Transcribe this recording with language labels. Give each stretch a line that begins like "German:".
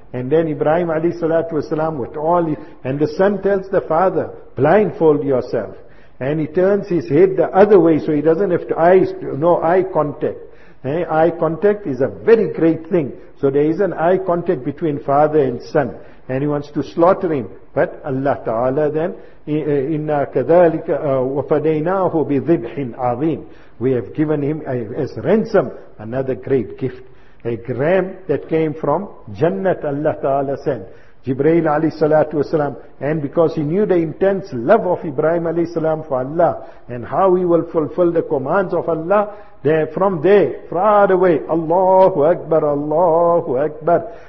English: And then Ibrahim alayhi salatu wasalam with all his, and the son tells the father, blindfold yourself. And he turns his head the other way so he doesn't have to eye contact. Eye contact is a very great thing. So there is an eye contact between father and son. And he wants to slaughter him. But Allah Ta'ala then,
Arabic: إِنَّا كَذَلِكَ وَفَدَيْنَاهُ بِذِبْحٍ عَظِيمٍ.
English: We have given him as ransom another great gift. A gram that came from Jannat Allah Ta'ala sent. Jibreel alayhi salatu wasalam, and because he knew the intense love of Ibrahim alayhi salam for Allah and how he will fulfill the commands of Allah, there from there, far away, Allahu Akbar, Allahu Akbar.